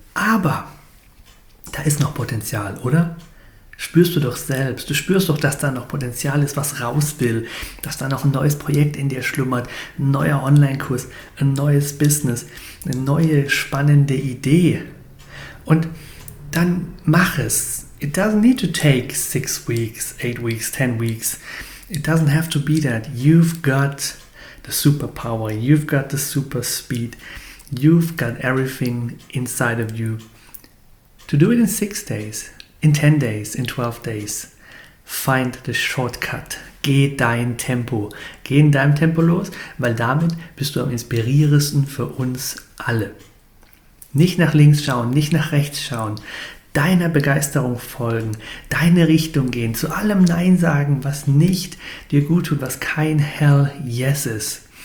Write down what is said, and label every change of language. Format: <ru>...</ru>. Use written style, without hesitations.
<de>Aber da ist noch Potenzial, oder? Spürst du doch selbst, du spürst doch, dass da noch Potenzial ist, was raus will, dass da noch ein neues Projekt in dir schlummert, ein neuer Online-Kurs, ein neues Business, eine neue spannende Idee. Und dann mach es.</de> <en>It doesn't need to take 6 weeks, 8 weeks, 10 weeks. It doesn't have to be that. You've got the superpower. You've got the super speed. You've got everything inside of you. To do it in 6 days. In 10 days, in 12 days, find the shortcut.</en> <de>Geh dein Tempo. Geh in deinem Tempo los, weil damit bist du am inspirierendsten für uns alle. Nicht nach links schauen, nicht nach rechts schauen. Deiner Begeisterung folgen, deine Richtung gehen, zu allem Nein sagen, was nicht dir gut tut, was kein Hell Yes ist.</de>